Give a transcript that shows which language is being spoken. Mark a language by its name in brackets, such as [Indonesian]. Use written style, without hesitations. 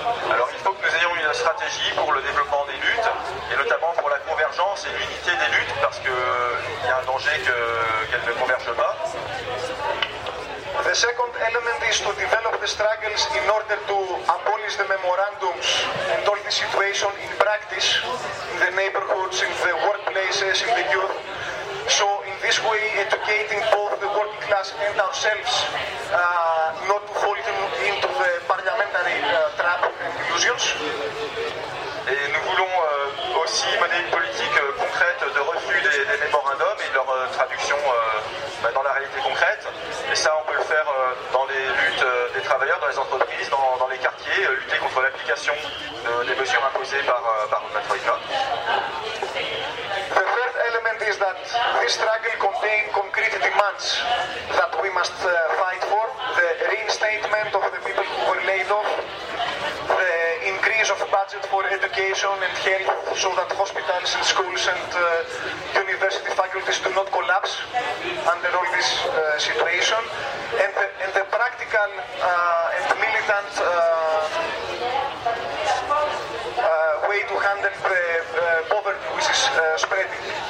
[French] Alors il faut que nous ayons une stratégie pour le développement des luttes, et notamment pour la convergence et l'unité des luttes, parce qu'il y a un danger qu'elles ne convergent pas. [English] The second element is to develop the struggles in order to abolish the memorandums and all the situation in practice, in the neighborhoods, in the workplaces, in the youth. So in this way, educating both the working class and ourselves not to fall into the parliamentary trap and illusions. [French] Et nous voulons aussi mener une politique concrète de refus des mémorandums et de leur traduction dans la réalité concrète. Et ça, on peut le faire dans les luttes des travailleurs, dans les entreprises, dans les quartiers, lutter contre l'application des mesures imposées par la Troïka. [English] The third element is that this struggle contains concrete demands that we must fight for. The reinstatement of the people who were laid off, the increase of budget for education and health so that hospitals and schools and university faculties do not collapse under all this situation, and the practical and militant way to handle the poverty which is spreading.